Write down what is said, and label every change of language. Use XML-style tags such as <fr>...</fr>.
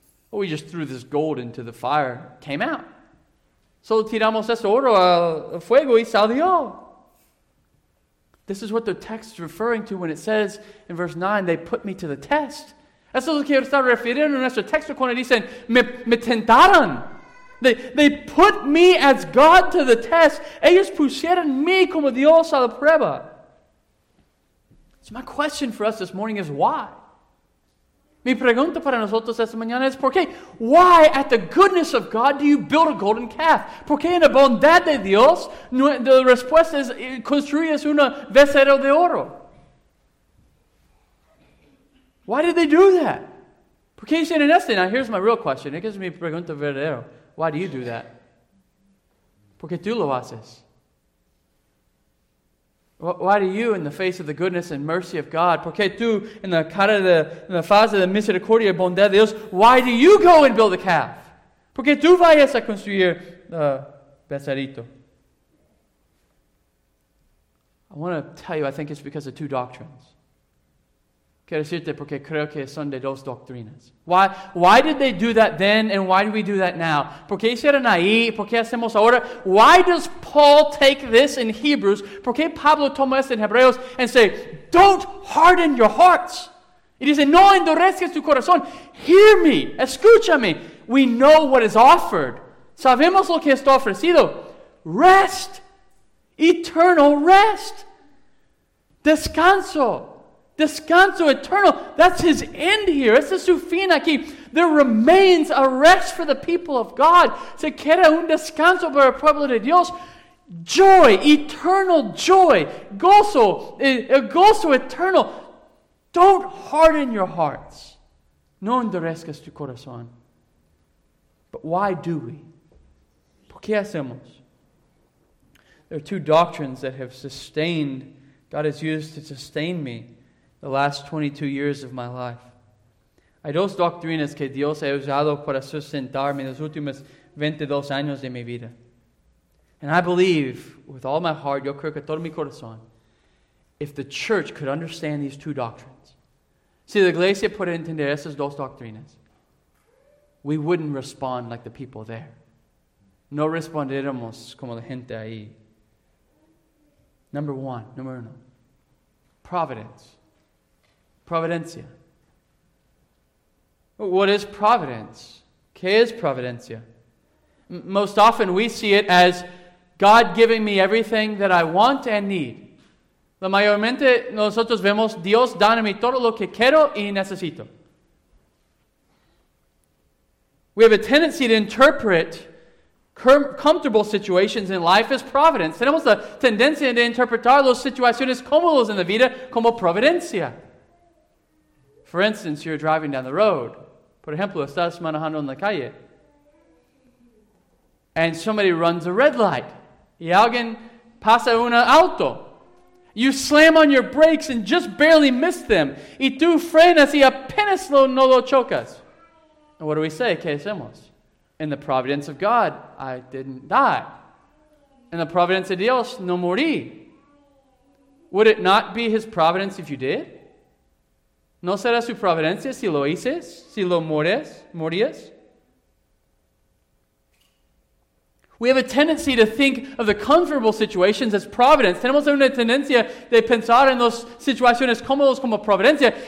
<en>Well, we just threw this gold into the fire, came out.</en> <es>Solo tiramos ese oro al fuego y salió.</es> <en>This is what the text is referring to when it says in verse 9, they put me to the test.</en> <es>Eso es lo que está refiriendo en nuestro texto cuando dicen, me tentaron.</es> <en>They put me as God to the test.</en> <es>Ellos pusieron me como Dios a la prueba.</es> <en>So my question for us this morning is why?</en> <es>Mi pregunta para nosotros esta mañana es por qué?</es> <en>Why at the goodness of God do you build a golden calf?</en> <es>¿Por qué en la bondad de Dios la respuesta es construyes un becerro de oro?</es> <en>Why did they do that?</en> <es>¿Por qué hicieron esto?</es> <en>Now here's my real question. It gives me</en> <es>pregunta verdadero.</es> <en>Why do you do that?</en> <es>¿Por qué tú lo haces?</es> <en>Why do you, in the face of the goodness and mercy of God,</en> <es>¿por qué tú, en la cara de, en la faz de la misericordia y bondad de Dios,</es> <en>why do you go and build a calf?</en> <es>¿Por qué tú vayas a construir becerrito?</es> <en>I want to tell you, I think it's because of two doctrines.</en> <es>Quiero decirte porque creo que son de dos doctrinas.</es> <en>Why did they do that then and why do we do that now?</en> <es>¿Por qué hicieron ahí? ¿Por qué hacemos ahora?</es> <en>Why does Paul take this in Hebrews?</en> <es>¿Por qué Pablo toma esto en Hebreos</es> <en>and say, don't harden your hearts?</en> <es>Y dice, no endurezcas tu corazón.</es> <en>Hear me.</en> <es>Escúchame.</es> <en>We know what is offered.</en> <es>Sabemos lo que está ofrecido.</es> <en>Rest. Eternal rest.</en> <es>Descanso. Descanso eternal.</es> <en>That's his end here.</en> <es>Es su fin aquí.</es> <en>There remains a rest for the people of God.</en> <es>Se queda un descanso para el pueblo de Dios.</es> <en>Joy, eternal joy.</en> <es>Gozo, gozo eternal.</es> <en>Don't harden your hearts.</en> <es>No endurezcas tu corazón.</es> <en>But why do we?</en> <es>¿Por qué hacemos?</es> <en>There are two doctrines that have sustained, God has used to sustain me. The last 22 years of my life.</en> <es>Hay dos doctrinas que Dios ha usado para sustentarme en los últimos 22 años de mi vida.</es> <en>And I believe, with all my heart,</en> <es>yo creo que todo mi corazón,</es> <en>if the church could understand these two doctrines,</en> <es>si la iglesia puede entender esas dos doctrinas,</es> <en>we wouldn't respond like the people there.</en> <es>No responderemos como la gente ahí.</es> <en>Number uno. Providence. Providencia. What is providence?</en> <es>¿Qué es providencia?</es> <en>Most often we see it as God giving me everything that I want and need.</en> <es>La mayormente nosotros vemos Dios dándome todo lo que quiero y necesito.</es> <en>We have a tendency to interpret comfortable situations in life as providence.</en> <es>Tenemos la tendencia de interpretar las situaciones cómodas en la vida como providencia.</es> <en>For instance, you're driving down the road.</en> <es>Por ejemplo, estás manejando en la calle.</es> <en>And somebody runs a red light.</en> <es>Y alguien pasa un auto.</es> <en>You slam on your brakes and just barely miss them.</en> <es>Y tú frenas y apenas no lo chocas.</es> <en>And what do we say?</en> <es>¿Qué hacemos?</es> <en>In the providence of God, I didn't die. In the providence of Dios,</en> <es>no morí.</es> <en>Would it not be His providence if you did?</en> <es>¿No será su providencia si lo hices? ¿Si lo morías?</es> <en>We have a tendency to think of the comfortable situations as providence.</en> <es>Tenemos una tendencia de pensar en las situaciones cómodas como providencia.</es>